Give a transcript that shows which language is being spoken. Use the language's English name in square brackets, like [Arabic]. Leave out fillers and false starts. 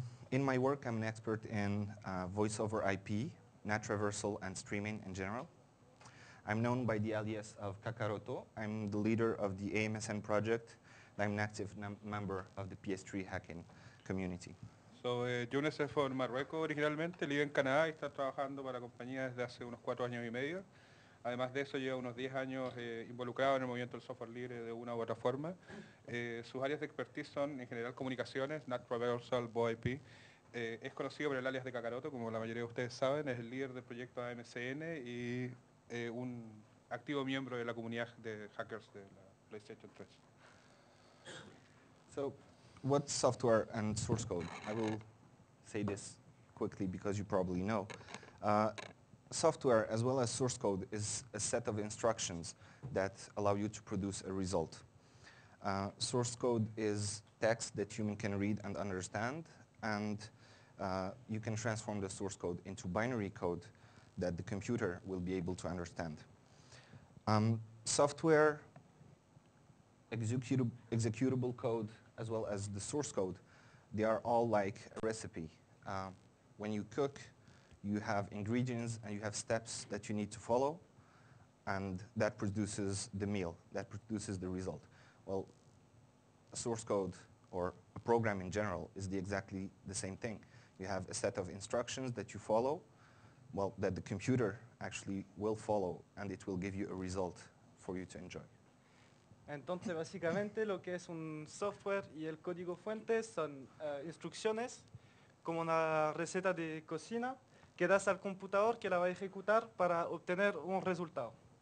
[English] In my work, I'm an expert in voice over IP, NAT traversal, and streaming in general. I'm known by the alias of Kakaroto. I'm the leader of the AMSN project. I'm an active member of the PS3 hacking community. [Spanish] So, Younes es from Marruecos originalmente, vive en Canadá y está trabajando para la compañía desde hace unos 4.5 años. Además de eso, lleva unos 10 años involucrado en el movimiento del software libre de una u otra forma. Sus áreas de expertise son, en general, comunicaciones, NAT traversal, VoIP. Es conocido por el alias de Kakaroto, como la mayoría de ustedes saben, es el líder del proyecto AMSN y un activo miembro de la comunidad de hackers de la PlayStation 3. [English] So, what's software and source code? I will say this quickly because you probably know. Software as well as source code is a set of instructions that allow you to produce a result. Source code is text that human can read and understand, and you can transform the source code into binary code that the computer will be able to understand. Software, executable code, as well as the source code, they are all like a recipe. When you cook, you have ingredients and you have steps that you need to follow, and that produces the meal, that produces the result. Well, a source code or a program in general is exactly the same thing. You have a set of instructions that you follow, well, that the computer actually will follow, and it will give you a result for you to enjoy. [Spanish] Entonces, básicamente, lo que es un software y el código fuente son instrucciones, como una receta de cocina, que das al computador que la va a ejecutar para obtener un resultado.